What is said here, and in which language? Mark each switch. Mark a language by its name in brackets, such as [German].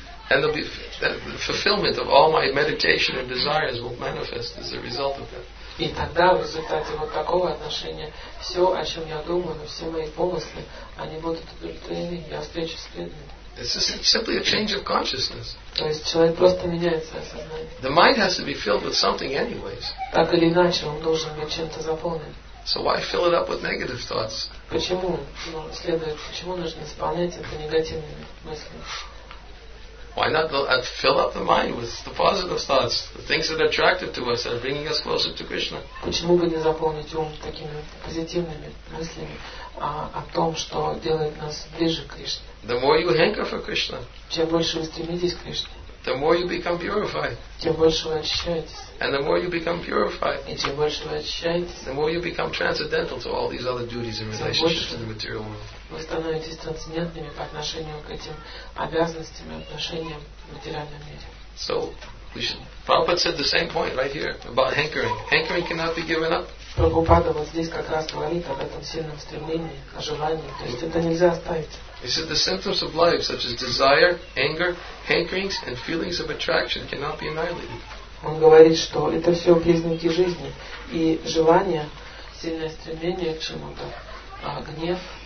[English] And the fulfillment of all my meditation and desires will manifest as a result of that. [Russian] И тогда в результате вот такого отношения все, о чем я думаю, но все мои помыслы, они будут удовлетворены, я встречусь с преданными. То есть человек просто меняет свое сознание. [English] The mind has to be filled with something anyways. [Russian] Так или иначе, он должен быть чем-то заполнен. [English] So why fill it up with negative thoughts? [Russian] Почему, ну, следует, почему нужно исполнять это негативными мыслями? [English] Why not fill up the mind with the positive thoughts, the things that are attractive to us, that are bringing us closer to Krishna? [Russian] Почему бы не заполнить ум такими позитивными мыслями о том, что делает нас ближе к Кришне? [English] The more you hanker for Krishna, [Russian] чем больше вы стремитесь к Кришне, [English] the more you become purified, [Russian] тем больше вы очищаетесь. [English] And the more you become purified, [Russian] и чем больше вы очищаетесь, [English] the more you become transcendental to all these other duties and relationships to the material world. [Russian] Вы становитесь трансцендентными по отношению к этим обязанностям и отношениям в материальном мире. [English] So, Prabhupada said the same point right here about hankering. Hankering cannot be given up. [Russian] Прабхупада вот здесь как раз говорит об этом сильном стремлении, о желании. То есть это нельзя оставить. [English] He said the symptoms of life, such as desire, anger, hankerings, and feelings of attraction, cannot be annihilated. [Russian] Он говорит, что это все признаки жизни, и желание, сильное стремление к чему-то, а гнев.